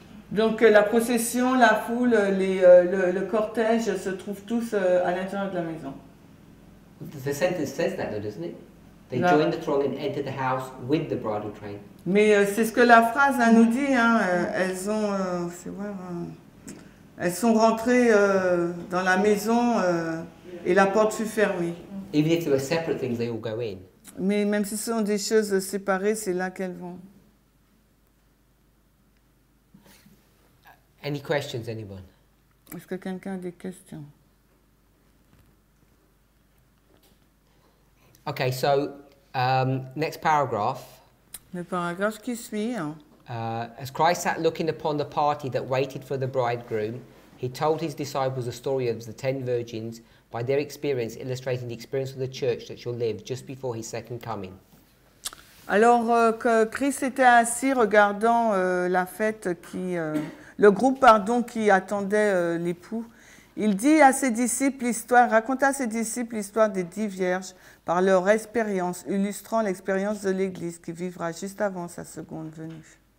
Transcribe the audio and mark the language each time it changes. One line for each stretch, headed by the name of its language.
French: Donc la procession, la foule, le cortège se trouvent tous à l'intérieur de la maison.
English: The sentence says that, though, doesn't it? They no. Join the throng and enter the house with the bridal train.
French: Mais c'est ce que la phrase hein, nous dit. Hein. Elles ont, c'est vrai, hein. Elles sont rentrées dans la maison et la porte fut fermée.
English: Even if they were separate things, they all go in.
French: Mais même si ce sont des choses séparées, c'est là qu'elles vont.
English: Any questions, anyone?
French: Est-ce que quelqu'un a des questions?
English: Okay, so next paragraph.
French: Le paragraphe qui suit.
English: As Christ sat looking upon the party that waited for the bridegroom, he told his disciples the story of the 10 virgins by their experience, illustrating the experience of the church that shall live just before his second coming.
French: Alors que Christ était assis regardant la fête qui le groupe pardon qui attendait l'époux, il dit à ses disciples l'histoire, raconta à ses disciples l'histoire des 10 vierges par leur expérience, illustrant l'expérience de l'Église qui vivra juste avant sa seconde venue.